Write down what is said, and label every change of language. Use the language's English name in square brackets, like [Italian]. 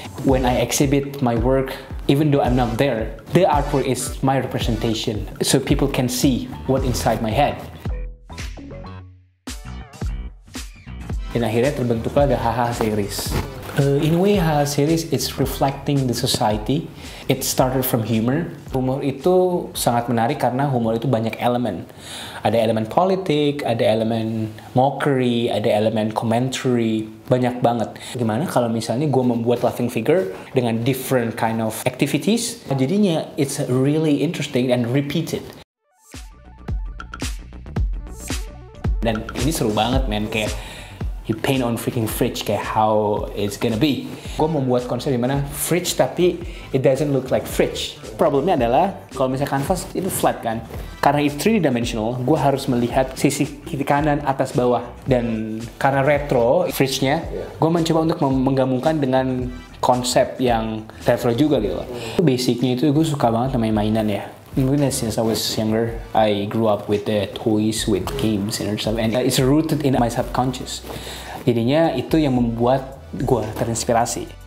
[English] When I exhibit my work, even though I'm not there, the artwork is my representation, so people can see what inside my head. [Indonesian] Dan akhirnya terbentuklah The HH Series. [English] In a way, HH Series is reflecting the society. It started from humor. [Indonesian] Humor itu sangat menarik karena humor itu banyak elemen. Ada elemen politik, ada elemen mockery, ada elemen commentary. Banyak banget. Gimana kalau misalnya gue membuat [English] laughing figure [Indonesian] dengan [English] different kind of activities? [Indonesian] Jadinya [English] it's really interesting and repeated. [Indonesian] Dan ini seru banget, men. Kayak [English] you paint on freaking fridge, [Indonesian] kayak [English] how it's gonna be. [Indonesian] Gua membuat konsep dimana fridge tapi [English] it doesn't look like fridge. [Indonesian] Problemnya adalah kalau misalnya canvas itu flat kan, karena [English] it's 3D dimensional, [Indonesian] gua harus melihat sisi kiri kanan atas bawah, dan karena retro fridge-nya, gua mencoba untuk menggabungkan dengan konsep yang retro juga gitu. Basicnya itu gua suka banget sama mainan ya. [English] Even since I was younger, I grew up with toys, with games, and stuff. And it's rooted in my subconscious. [Indonesian] Jadinya itu yang membuat gue terinspirasi.